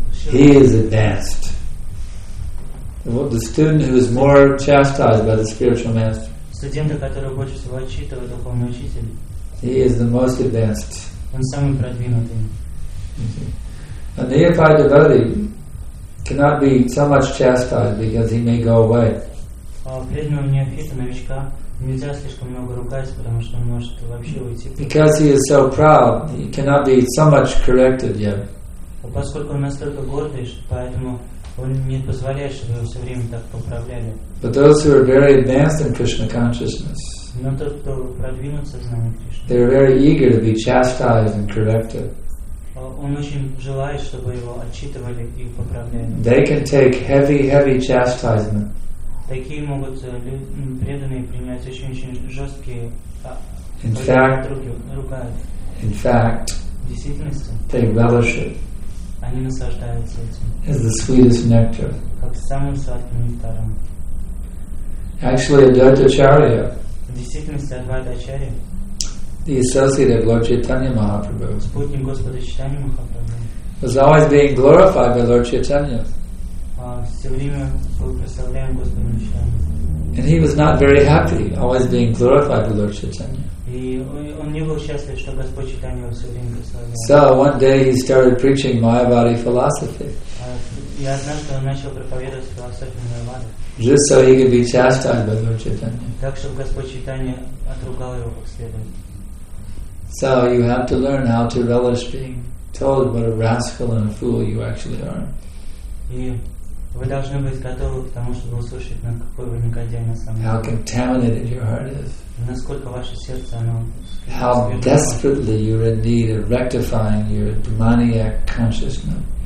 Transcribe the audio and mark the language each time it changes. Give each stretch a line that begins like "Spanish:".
English: He is advanced. The student who is more chastised by the spiritual master.
Russian: Студента, которого больше всего отчитывает духовный учитель.
English: He is the most advanced.
Russian: Он самый продвинутый.
English: A neophyte devotee cannot be so much chastised because he may go away.
Russian: Преданного неофита, новичка, нельзя слишком много ругать, потому что он может вообще уйти.
English: Because he is so proud, he cannot be so much corrected yet.
Russian: Поскольку он настолько гордый, поэтому он не позволяет, чтобы его все время так поправляли.
English: But those who are very advanced in Krishna consciousness,
Russian: Но тот, кто продвинут сознание Кришны.
English: They're very eager to be chastised and corrected.
Russian: Он очень желает, чтобы его отчитывали и поправляли.
English: They can take heavy, heavy chastisement.
Russian: Такие могут преданные принять очень-очень жесткие
English: In fact, they relish it.
Russian: Они наслаждаются этим.
English: As the sweetest nectar.
Russian: Как самым сладким нектаром.
English: Actually, Advaita Acharya.
Russian: В действительности, Advaita Acharya.
English: The associate of Lord Chaitanya Mahaprabhu.
Russian: Спутник Господа Чайтанья Махапрабху.
English: Was always being glorified by Lord Chaitanya.
Russian: Все время был прославляем Господом Чайтанья.
English: And he was not very happy, always being glorified by Lord Chaitanya.
Russian: И он не был счастлив, что Господь Чайтанья его все время прославлял.
English: So one day he started preaching Mayavadi philosophy.
Russian: И однажды он начал проповедовать философию Майявады.
English: Just so he could be chastised by Lord Chaitanya.
Russian: Так чтобы Господь Чайтанья отругал его как следует.
English: So you have to learn how to relish being told what a rascal and a fool you actually are.
Russian: И вы должны быть готовы к тому, чтобы услышать, на какой вы негодяй на самом деле.
English: How contaminated your heart is.
Russian: Насколько ваше сердце оно.
English: How desperately you are in need of rectifying your demoniac consciousness.